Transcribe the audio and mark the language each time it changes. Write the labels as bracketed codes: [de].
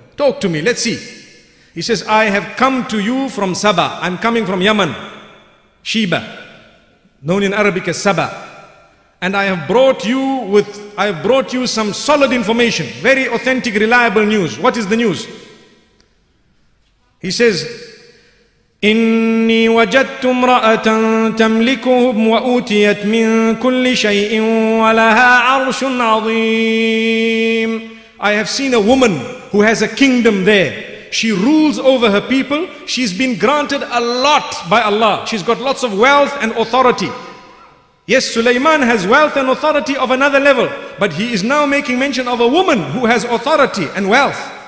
[en] Talk to me, let's see. He says, I have come to you from Saba. I'm coming from Yemen. Sheba, known in Arabic as Saba. And I have brought you with, I have brought you some solid information, very authentic, reliable news. What is the news? He says, [ar] إني وجدت امرأة تملكهم وأوتيت من كل شيء ولها عرش عظيم. [en] I have seen a woman who has a kingdom there. She rules over her people. She's been granted a lot by Allah. She's got lots of wealth and authority. Yes, Sulayman has wealth and authority of another level, but he is now making mention of a woman who has authority and wealth.